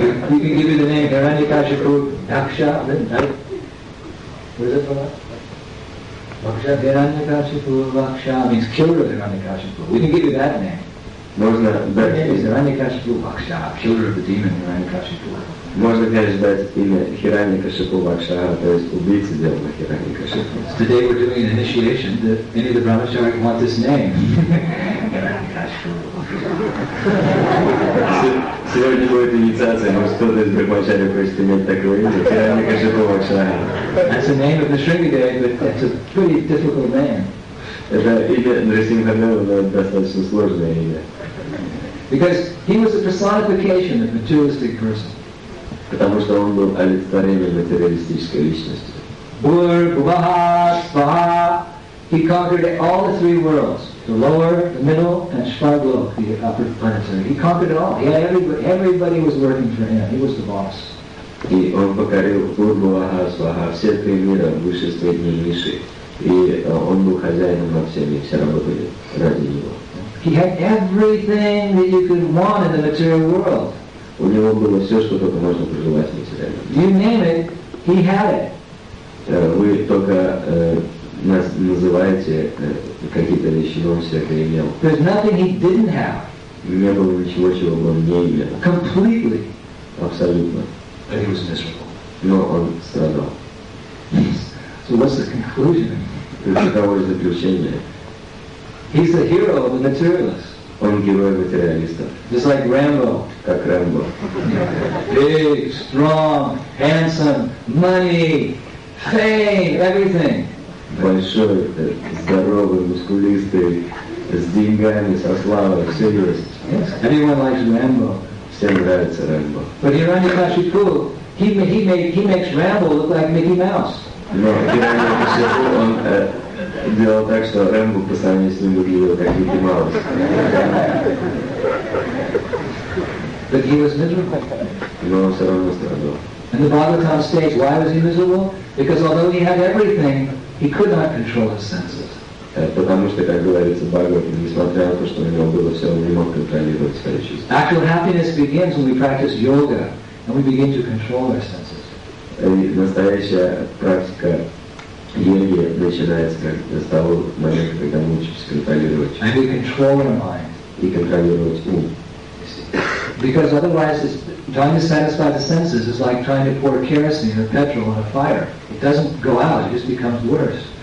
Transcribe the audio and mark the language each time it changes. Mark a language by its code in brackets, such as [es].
[en] You can give me the name Hiranyakashipu Daksha, right? Vaksha Hiranyakashipu, Vaksha means killer of Hiranyakashipu. We can give you that name. [ru] Можно дать... [en] Name is Hiranyakashipu Vaksha, killer of the demon Hiranyakashipu. [ru] Можно передать имя Hiranyakashipu Vaksha, то есть убийца демона Hiranyakashipu. [en] Today we're doing an initiation. Do any of the brahmacharis want this name? Hiranyakashipu Vaksha. [ru] Сегодня будет инициация, может кто-то из брахмачарий хочет иметь такое имя? [en] Hiranyakashipu Vaksha. That's the name of the Shrigade, but it's a pretty difficult name. [ru] Это имя Нрисимхадева, но достаточно сложное имя. [en] Because he was the personification of materialistic person. [ru] Потому что он был олицетворением материалистической личности. Бур, Баха, Баха. [en] He conquered all the three worlds. The lower, the middle, and Shvarglok, the upper planetary. He conquered it all. He had everybody was working for him. He was the boss. [ru] И он покорил Бурбуахасваха, все три мира, высшие, средние, низшие. И он был хозяином над всеми, все работали ради него. [en] He had everything that you could want in the material world. [ru] У него было все, что только можно пожелать в материальном [en] мире. You name it, he had it. [ru] Вы только называете какие-то вещи, но он все это имел. [en] There's nothing he didn't have. [ru] Не было ничего, чего он не имел. [en] Completely. [ru] Абсолютно. [en] But he was miserable. [ru] Но он страдал. [en] So what's the conclusion? [ru] Каково же заключение? [en] He's the hero of the materialist. [ru] Он герой материалистов. [en] Just like Rambo. [ru] Как Рэмбо. [en] Big, strong, handsome, money, fame, everything. [ru] Большой, здоровый, мускулистый, с деньгами, со славой, все есть. [en] Yes. Everyone likes Rambo. [ru] Всем нравится Рэмбо. [en] But Hiranyakashipu, he makes Rambo look like Mickey Mouse. [ru] Но Hiranyakashipu, он делал так, что Рэмбо по сравнению с ним выглядел как Микки Маус. [en] But he was miserable. [ru] Но он все равно страдал. [en] And the Bhagavatam states, why was he miserable? Because although he had everything, he could not control his senses. [ru] Потому что, как говорится, Бхагаватам, несмотря на то, что у него было все, он не мог контролировать свои чувства. [en] Actual happiness begins when we practice yoga and we begin to control our senses. [ru] И настоящая практика йоги начинается с того момента, когда мы учимся контролировать чувства. [en] And we control our mind. [ru] И контролировать ум. [en] Because otherwise, trying to satisfy the senses is like trying to pour kerosene or petrol on a fire. It doesn't go out, it just becomes worse.